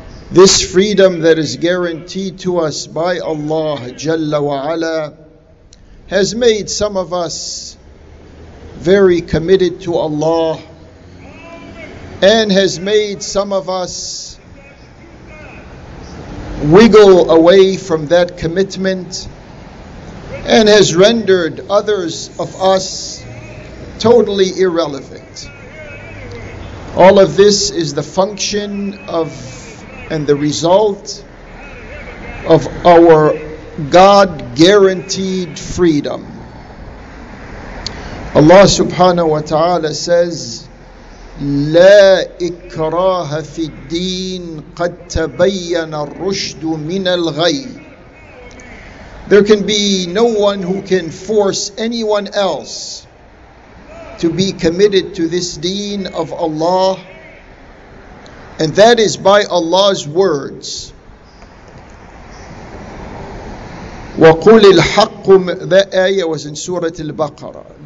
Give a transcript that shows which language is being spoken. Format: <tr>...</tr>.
<en>This freedom that is guaranteed to us by Allah Jalla wa Ala has made some of us very committed to Allah and has made some of us wiggle away from that commitment and has rendered others of us totally irrelevant. All of this is the function of and the result of our God-guaranteed freedom.</en> <ar>Allah subhanahu wa ta'ala says, لا إكراه في الدين قد تبين الرشد من الغي.</ar> <en>There can be no one who can force anyone else to be committed to this deen of Allah. And that is by Allah's words.</en> <ar>وَقُلِ الْحَقُّ</ar> <en>That ayah was in Surah Al-Baqarah.</en>